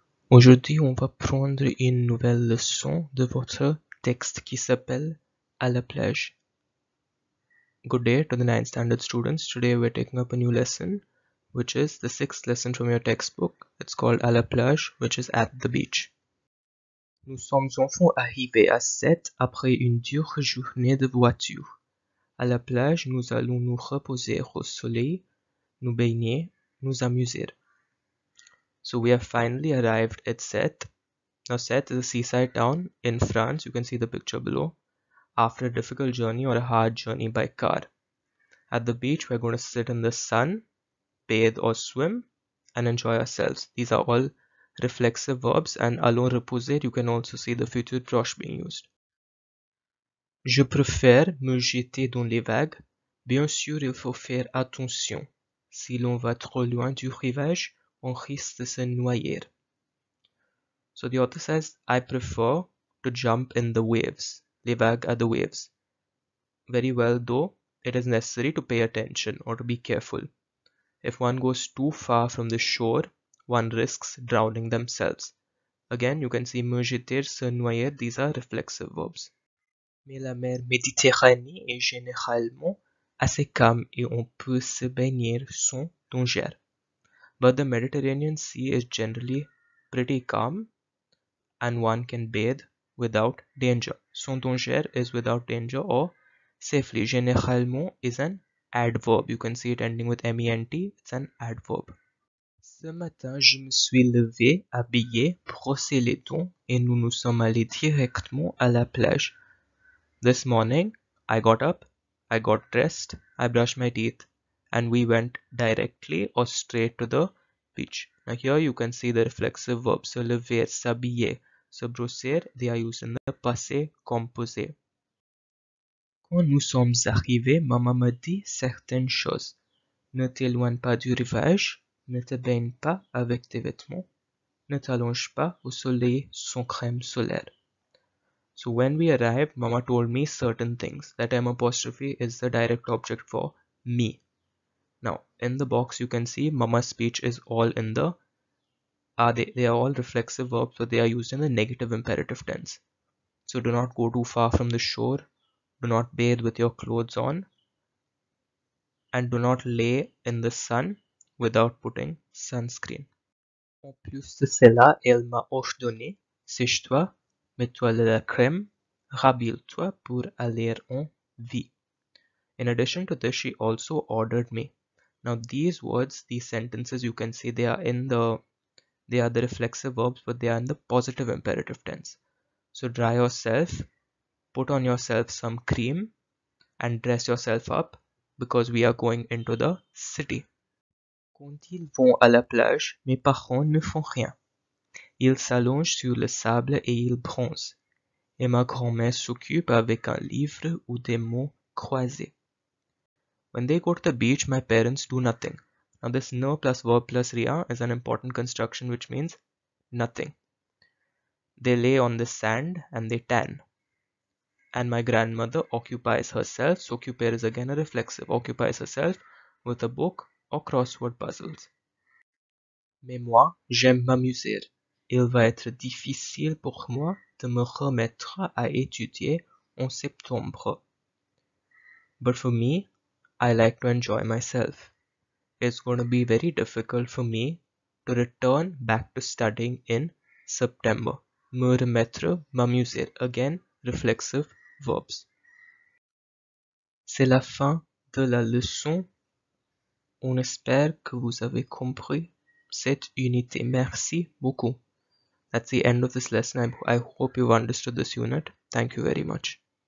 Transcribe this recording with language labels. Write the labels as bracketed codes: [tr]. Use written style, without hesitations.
[fr] Aujourd'hui, on va prendre une nouvelle leçon de votre texte qui s'appelle À la plage. [en] Good day to the 9th standard students. Today, we're taking up a new lesson, which is the 6th lesson from your textbook. It's called À la plage, which is at the beach. [fr] Nous sommes enfin arrivés à 7 après une dure journée de voiture. À la plage, nous allons nous reposer au soleil. Nous baigner, nous amuser. [en] So we have finally arrived at Sète. Now Sète is a seaside town in France. You can see the picture below. After a difficult journey or a hard journey by car. At the beach, we are going to sit in the sun, bathe or swim, and enjoy ourselves. These are all reflexive verbs. And allons reposer, you can also see the future proche being used. [fr] Je préfère me jeter dans les vagues. Bien sûr, il faut faire attention. Si l'on va trop loin du rivage, on risque de se noyer. [en] So the author says, I prefer to jump in the waves. Les vagues are the waves. Very well, though, it is necessary to pay attention or to be careful. If one goes too far from the shore, one risks drowning themselves. Again, you can see me jeter, se noyer, these are reflexive verbs. [fr] Mais la mer Méditerranée est généralement assez calme et on peut se baigner sans danger. [en] But the Mediterranean Sea is generally pretty calm and one can bathe without danger. Sans danger is without danger or safely. Généralement is an adverb. You can see it ending with ment. It's an adverb. [fr] Ce matin, je me suis levé, habillé, brossé les dents et nous nous sommes allés directement à la plage. [en] This morning, I got up. I got dressed, I brushed my teeth, and we went directly or straight to the beach. Now here you can see the reflexive verbs. Se lever, s'habiller, se brosser, they are used in the passé composé. [fr] Quand nous sommes arrivés, maman me dit certaines choses. Ne t'éloigne pas du rivage, ne te baigne pas avec tes vêtements, ne t'allonge pas au soleil sans crème solaire. [en] So when we arrived, Mama told me certain things. That M apostrophe is the direct object for me. Now, in the box, you can see Mama's speech is all in the... they are all reflexive verbs, but they are used in the negative imperative tense. So do not go too far from the shore. Do not bathe with your clothes on. And do not lay in the sun without putting sunscreen. [fr] En plus de cela, elle m'a ordonné, sèche-toi. Mets-toi de la crème, rhabille-toi pour aller en vie. [en] In addition to this, she also ordered me. Now these words, these sentences, you can see they are in the, they are the reflexive verbs, but they are in the positive imperative tense. So dry yourself, put on yourself some cream, and dress yourself up, because we are going into the city. [fr] Quand ils vont à la plage, mes parents ne font rien. Ils s'allongent sur le sable et ils bronzent. Et ma grand-mère s'occupe avec un livre ou des mots croisés. [en] When they go to the beach, my parents do nothing. Now this ne plus verb plus rien is an important construction which means nothing. They lay on the sand and they tan. And my grandmother occupies herself. S'occuper is again a reflexive. Occupies herself with a book or crossword puzzles. [fr] Mais moi, j'aime m'amuser. Il va être difficile pour moi de me remettre à étudier en septembre. [en] But for me, I like to enjoy myself. It's going to be very difficult for me to return back to studying in September. Me remettre, m'amuser. Again, reflexive verbs. [fr] C'est la fin de la leçon. On espère que vous avez compris cette unité. Merci beaucoup. [en] That's the end of this lesson. I hope you've understood this unit. Thank you very much.